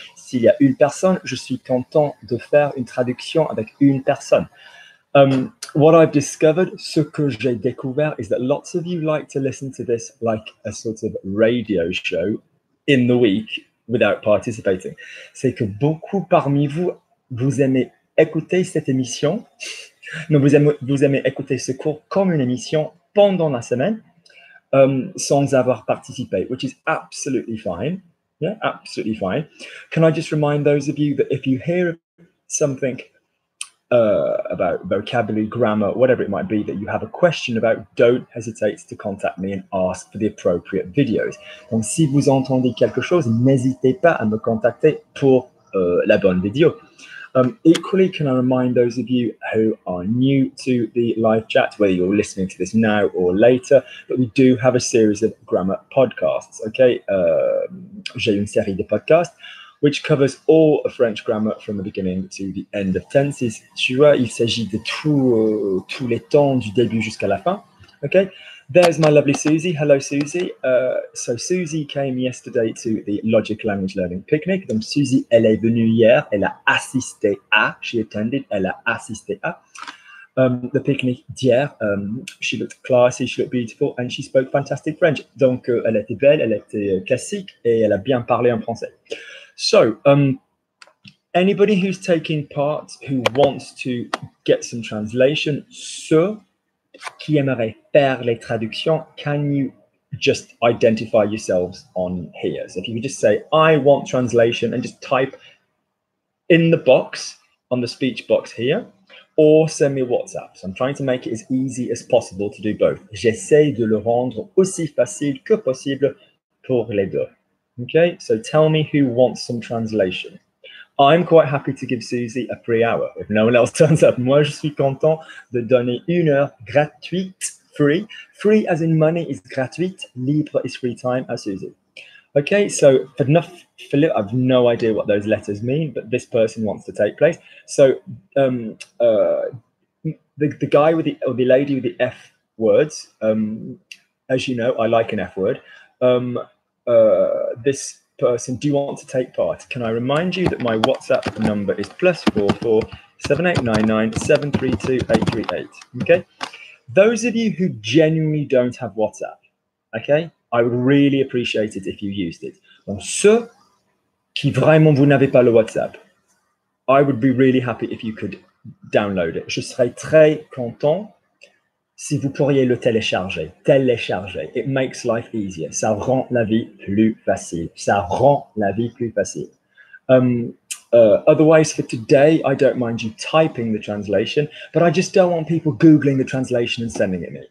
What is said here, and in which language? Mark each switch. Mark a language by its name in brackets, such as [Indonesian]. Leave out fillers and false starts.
[French] S'il y a une personne, je suis content de faire une traduction avec une personne. [English] What I've discovered, [French] ce que j'ai découvert, [English] is that lots of you like to listen to this like a sort of radio show in the week without participating. [French] C'est que beaucoup parmi vous, vous aimez écouter cette émission. Non, vous aimez écouter ce cours comme une émission pendant la semaine sans avoir participé, [English] which is absolutely fine. Yeah, absolutely fine. Can I just remind those of you that if you hear something about vocabulary, grammar, whatever it might be that you have a question about, don't hesitate to contact me and ask for the appropriate videos. [French] Donc, si vous entendez quelque chose, n'hésitez pas à me contacter pour la bonne vidéo. [English] Equally, can I remind those of you who are new to the live chat, whether you're listening to this now or later, that we do have a series of grammar podcasts, okay? [French] J'ai une série de podcasts, [English] which covers all of French grammar from the beginning to the end of tenses. [French] Tu vois, il s'agit de tous les temps du début jusqu'à la fin, okay? [English] There's my lovely Susie. Hello, Susie. So Susie came yesterday to the Logic Language Learning Picnic. [French] Donc Susie, elle est venue hier. Elle a assisté à. [English] She attended. [French] Elle a assisté à [English] the picnic [French] d'hier. [English] She looked classy. She looked beautiful, and she spoke fantastic French. [French] Donc elle était belle. Elle était classique, et elle a bien parlé en français. [English] So anybody who's taking part who wants to get some translation, so. [French] Qui aimerait faire les traductions, [English] can you just identify yourselves on here? So if you could just say, I want translation, and just type in the box, on the speech box here, or send me a WhatsApp. So I'm trying to make it as easy as possible to do both. [French] J'essaie de le rendre aussi facile que possible pour les deux. [English] Okay, so tell me who wants some translation. I'm quite happy to give Susie a free hour if no one else turns up. [French] Moi, je suis content de donner une heure gratuite, free. [English] Free as in money is gratuite, libre is free time, à Susie. Okay, so enough, Philip. I've no idea what those letters mean, but this person wants to take place. So the guy with the, or the lady with the F words, as you know, I like an F word. This person, do you want to take part? Can I remind you that my WhatsApp number is +44 7899 732 838? Okay, those of you who genuinely don't have WhatsApp, okay, I would really appreciate it if you used it. [French] Donc, ceux qui vraiment vous n'avez pas le WhatsApp, [English] I would be really happy if you could download it. [French] Je serais très content si vous pourriez le télécharger, [English] it makes life easier. [French] Ça rend la vie plus facile. [English] Otherwise, for today, I don't mind you typing the translation, but I just don't want people Googling the translation and sending it me.